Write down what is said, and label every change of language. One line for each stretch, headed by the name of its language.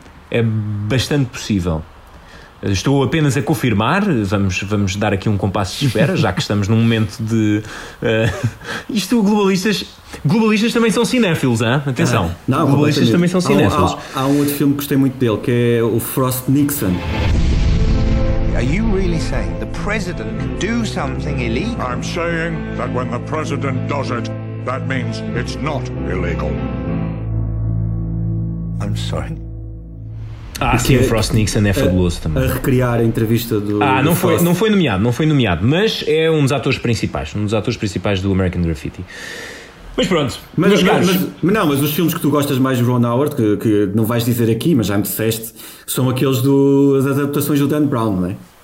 Portuguese: É bastante possível. Estou apenas a confirmar. Vamos dar aqui um compasso de espera, já que estamos num momento de isto. Globalistas também são cinéfilos, hein? Atenção. Não, globalistas também são cinéfilos. Há um outro filme que gostei muito dele, que é o Frost Nixon.
English: Are you really saying the president can do something illegal? I'm saying that when the president does it, that means it's not illegal. I'm sorry.
Portuguese: Ah, sim, o Frost Nixon é fabuloso também. A recriar a entrevista do Frost. Não foi nomeado, mas é um dos atores principais do American Graffiti. Mas pronto, mas os filmes que tu gostas mais do Ron Howard, que não vais dizer aqui, mas já me disseste, são aqueles das adaptações do Dan Brown, não é?